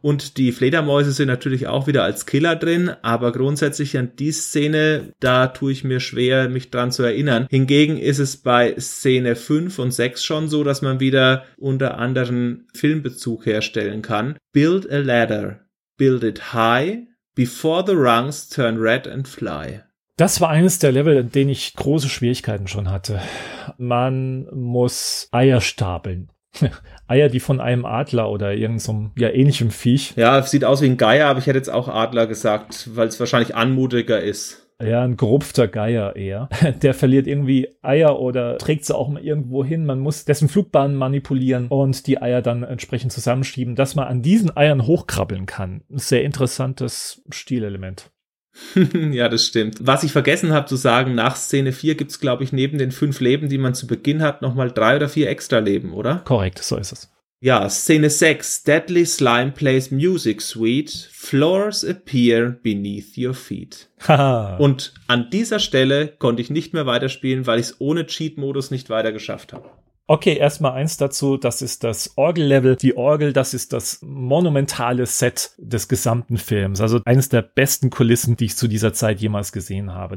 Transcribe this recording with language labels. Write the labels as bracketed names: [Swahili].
[German] Und die Fledermäuse sind natürlich auch wieder als Killer drin. Aber grundsätzlich an die Szene, da tue ich mir schwer, mich dran zu erinnern. Hingegen ist es bei Szene 5 und 6 schon so, dass man wieder unter anderem Filmbezug herstellen kann. [English] Build a ladder. Build it high before the rungs turn red and fly. [German] Das war eines der Level, in denen ich große Schwierigkeiten schon hatte. Man muss Eier stapeln. Eier, die von einem Adler oder irgendeinem ja, ähnlichem Viech. Ja, es sieht aus wie ein Geier, aber ich hätte jetzt auch Adler gesagt, weil es wahrscheinlich anmutiger ist. Ja, ein gerupfter Geier eher. Der verliert irgendwie Eier oder trägt sie auch mal irgendwo hin. Man muss dessen Flugbahn manipulieren und die Eier dann entsprechend zusammenschieben, dass man an diesen Eiern hochkrabbeln kann. Sehr interessantes Stilelement. Ja, das stimmt. Was ich vergessen habe zu sagen, nach Szene 4 gibt es, glaube ich, neben den 5 Leben, die man zu Beginn hat, nochmal 3 oder 4 extra Leben, oder? Korrekt, so ist es. Ja, Szene 6. [English] Deadly Slime plays music suite. Floors appear beneath your feet. [German] Und an dieser Stelle konnte ich nicht mehr weiterspielen, weil ich es ohne Cheat-Modus nicht weiter geschafft habe. Okay, erstmal eins dazu. Das ist das Orgel-Level. Die Orgel, das ist das monumentale Set des gesamten Films. Also eines der besten Kulissen, die ich zu dieser Zeit jemals gesehen habe.